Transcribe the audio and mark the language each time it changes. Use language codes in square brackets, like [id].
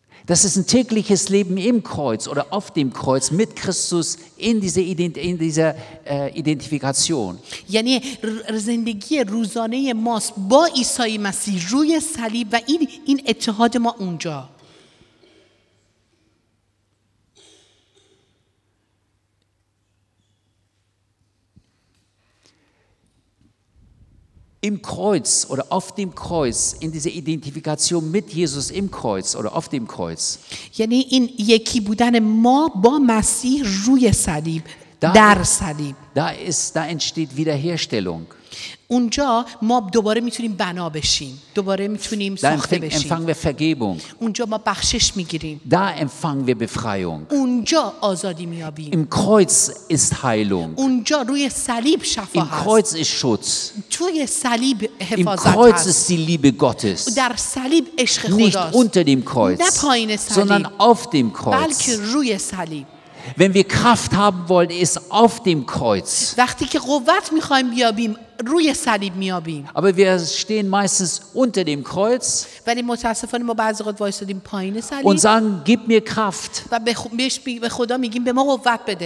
[de] Das ist ein tägliches Leben im Kreuz oder auf dem Kreuz mit Christus in dieser Identifikation. [fa] یعنی زندگی روزانه ماست با عیسی مسیح روی صلیب و این اتحاد ما اونجا. [de] Im Kreuz oder auf dem Kreuz, in dieser Identifikation mit Jesus im Kreuz oder auf dem Kreuz. [fa] یعنی این یکی بودن ما با مسیح روی صلیب در صلیب. [de] Da entsteht Wiederherstellung. [fa] اونجا ما دوباره میتونیم بنا بشیم. دوباره میتونیم ساخته بشیم. [de] Da empfangen wir Vergebung. [fa] اونجا ما بخشش میگیریم. [de] Da empfangen wir Befreiung. [fa] اونجا آزادی میابیم. [de] Im Kreuz ist Heilung. [fa] اونجا روی صلیب شفا هست. [de] Im Kreuz ist Schutz. [fa] توی صلیب حفاظت هست. [de] Im Kreuz ist die Liebe Gottes. [fa] در صلیب عشق خداست. [de] Nicht unter dem Kreuz. [fa] نه پایین صلیب. [de] Sondern auf dem Kreuz. [fa] بلکه روی صلیب. [de] Wenn wir Kraft haben wollen, ist auf dem Kreuz. [fa] وقتی که قوت میخوایم بیابیم روی صلیب میابیم. [de] Aber wir stehen meistens unter dem Kreuz. [fa] ولی متاسفانه ما بعضی وقت وایسادیم پایین صلیب. [de] Und sagen, gib mir Kraft. [fa] و به خدا میگیم به ما قوت بده.